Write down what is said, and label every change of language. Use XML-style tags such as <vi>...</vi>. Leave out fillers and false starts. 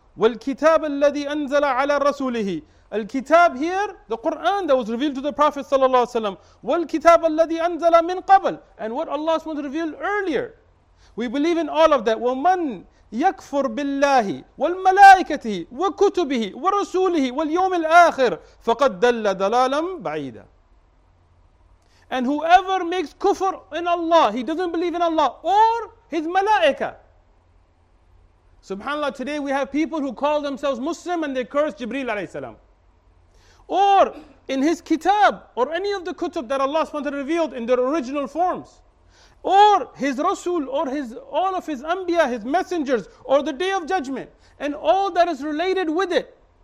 <ar>والكتاب الذي أنزل على رسوله.</ar> <en>الكتاب here, the Quran that was revealed to the Prophet صلى الله عليه وسلم.</en> <ar>والكتاب الذي أنزل من قبل.</ar> <en>And what Allah has revealed earlier. We believe in all of that.</en> <ar>ومن يكفر بالله والملائكته وكتبه ورسوله واليوم الآخر فقد دل دلالا بعيدا.</ar> <en>And whoever makes kufr in Allah, he doesn't believe in Allah or his malaika. SubhanAllah, today we have people who call themselves Muslim and they curse Jibreel alayhi salam. or in his kitab, or any of the kutub that Allah SWT revealed in their original forms, or his rasul, or his all of his anbiya, his messengers, or the day of judgment, and all that is related with it.</en>